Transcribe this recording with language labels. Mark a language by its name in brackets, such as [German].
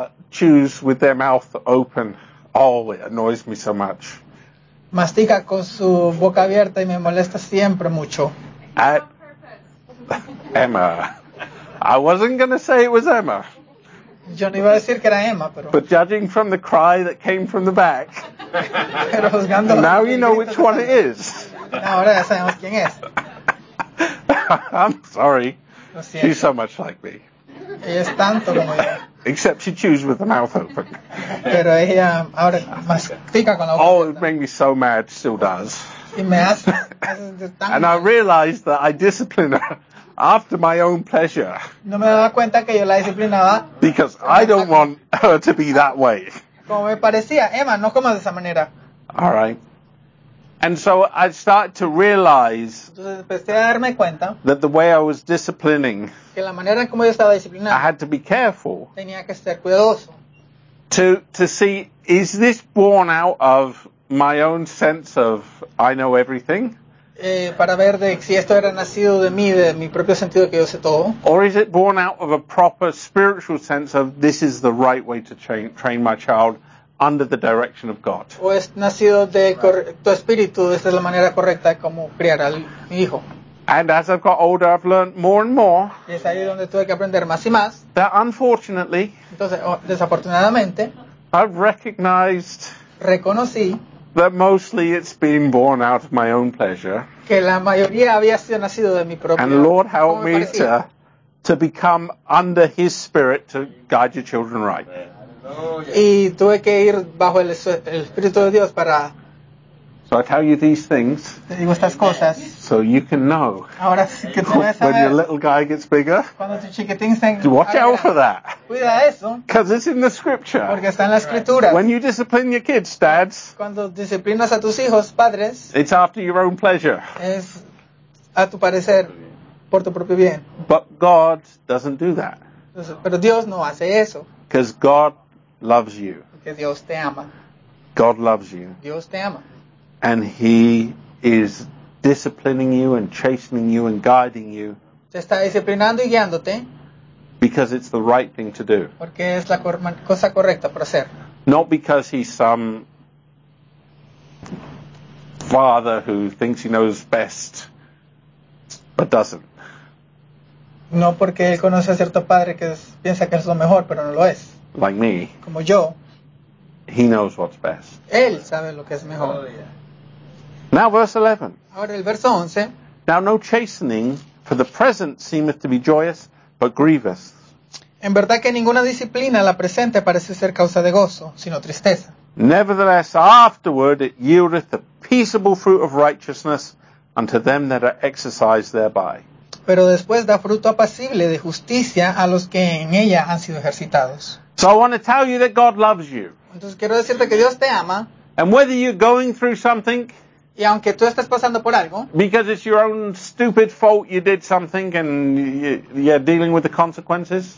[English] Chews with their mouth open. Oh, it annoys me so much. [Spanish] Mastica con su boca abierta y me molesta siempre mucho. [English] Emma. I wasn't going to say it was Emma. [Spanish] Yo no iba a decir que era Emma, pero... [English] But judging from the cry that came from the back, [Spanish] pero juzgando [English] now you know which one it is. [Spanish] Ahora ya sabemos quién es. [English] I'm sorry. She's so much like me. [Spanish] Ella es tanto como yo. [English] Except she chews with the mouth open. [Spanish] Pero ella ahora mastica con la boca. [English] Oh, it made me so mad, still does. [Spanish] Y me hace tan [English] and [Spanish] mal. [English] I realized that I discipline her after my own pleasure. [Spanish] No me daba cuenta que yo la disciplinaba. [English] Because I don't want her to be that way. [Spanish] Como me parecía, Emma, no comas de esa manera. [English] All right. And so I started to realize that the way I was disciplining, [Spanish] que la manera en como yo estaba disciplinando, [English] I had to be careful, [Spanish] tenía que ser cuidadoso, [English] to see, is this born out of my own sense of I know everything? [Spanish] Para ver de, si esto era nacido de mí, de mi propio sentido que yo sé todo. [English] Or is it born out of a proper spiritual sense of this is the right way to train my child? Under the direction of God. [Spanish] O es nacido de tu espíritu, esta es la manera correcta de cómo criar al hijo. [English] And as I've got older, I've learned more and more. [Spanish] Y es ahí donde tuve que aprender más y más. [English] That unfortunately. [Spanish] Entonces, desafortunadamente. [English] I've recognized. [Spanish] Reconocí. [English] That mostly it's been born out of my own pleasure. [Spanish] Que la mayoría había sido nacido de mi propio. [English] And Lord help me to become under His Spirit to guide your children right. [Spanish] Oh, yeah. Y tuve que ir bajo el Espíritu de Dios para. [English] So I tell you these things. [Spanish] Te digo estas cosas. [English] So you can know. [Spanish] Ahora sí que tú [English] when your little guy gets bigger. [Spanish] Cuando tu chiquitín se. [English] Watch out for that. [Spanish] Cuida eso. [English] Because it's in the scripture. [Spanish] Porque está en la escritura. [English] When you discipline your kids, dads. [Spanish] Cuando disciplinas a tus hijos, padres. [English] It's after your own pleasure. [Spanish] Es a tu parecer, por tu propio bien. [English] But God doesn't do that. [Spanish] Pero Dios no hace eso. [English] Because God loves you. [Spanish] Que Dios te ama. [English] God loves you. [Spanish] Dios te ama. [English] And He is disciplining you and chastening you and guiding you. [Spanish] Te está disciplinando y guiándote. [English] Because it's the right thing to do. [Spanish] Porque es la cosa correcta para hacer. [English] Not because He's some father who thinks he knows best, but doesn't. [Spanish] No porque él conoce a cierto padre que es, piensa que es lo mejor, pero no lo es. [English] Like me, [Spanish] como yo, [English] he knows what's best. [Spanish] Él sabe lo que es mejor. Oh, [English] yeah. Now verse 11. [Spanish] Ahora el verso 11. [English] Now no chastening for the present seemeth to be joyous, but grievous. [Spanish] En verdad que ninguna disciplina la presente parece ser causa de gozo, sino tristeza. [English] Nevertheless, afterward it yieldeth the peaceable fruit of righteousness unto them that are exercised thereby. [Spanish] Pero después da fruto apacible de justicia a los que en ella han sido ejercitados. [English] So I want to tell you that God loves you. [Spanish] Entonces quiero decirte que Dios te ama. [English] And whether you're going through something. [Spanish] Y aunque tú estás pasando por algo. [English] Because it's your own stupid fault you did something and you're dealing with the consequences.